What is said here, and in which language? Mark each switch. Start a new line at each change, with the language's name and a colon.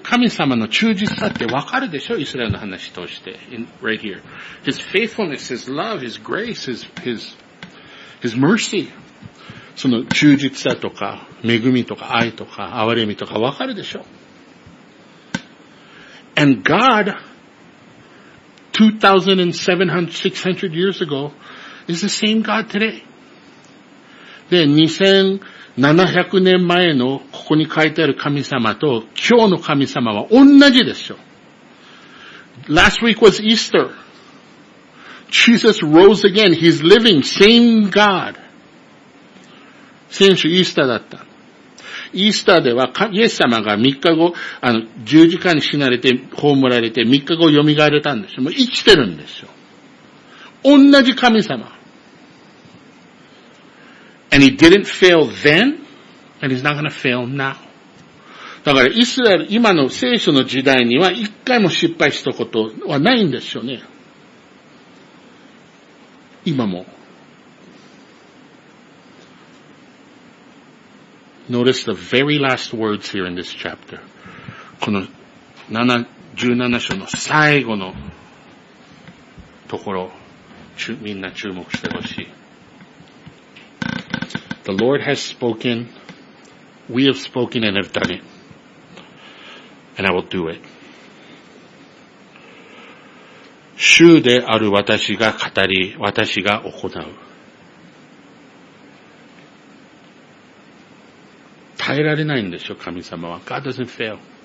Japanese: 神様の忠実さってわかるでしょ？イスラエルの話として。
English: Right here. His faithfulness, His love, His grace, His mercy.
Japanese: その忠実さとか、恵みとか、愛とか、憐れみとかわかるでしょ？
English: And God, 2,600 years ago, is the same God today.
Japanese: で、2,700 年前のここに書いてある神様と今日の神様は同じですよ。
English: Last week was Easter. Jesus rose again. He's living. Same God.
Japanese: 先週イースターだった。イースターではイエス様が3日後、十字架に死なれて、葬られて、3日後蘇られたんですよ。もう生きてるんですよ。同じ神様。
English: And he didn't fail then, and he's not gonna fail now.
Japanese: だから、イスラエル、今の聖書の時代には一回も失敗したことはないんですよね。今も。
English: Notice the very last words here in this chapter.
Japanese: この17章の最後のところ、みんな注目してほしい。
English: The Lord has spoken, we have spoken and have done it, and I will do it.
Japanese: 主である私が語り、私が行う。耐えられないんでしょ、神様は。
English: God doesn't fail.